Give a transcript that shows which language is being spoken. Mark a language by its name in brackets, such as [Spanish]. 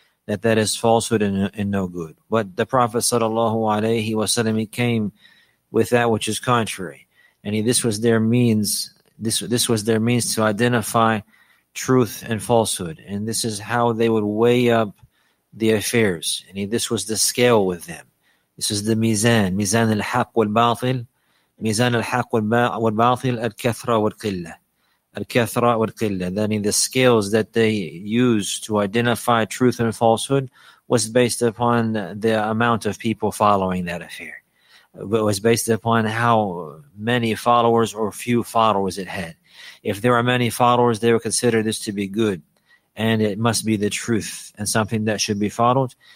[English] That is falsehood and no good. But the Prophet sallallahu alaihi wasallam, he came with that which is contrary. And this was their means. This was their means to identify truth and falsehood. And this is how they would weigh up the affairs. And this was the scale with them. This is the mizan al-haq wal-batil, [Arabic] ميزان الحق والباطل الكثرة والقلة. الكثرة والقلة. [English] Then in the scales that they use to identify truth and falsehood was based upon the amount of people following that affair. It was based upon how many followers or few followers it had. If there are many followers, they would consider this to be good, and it must be the truth and something that should be followed.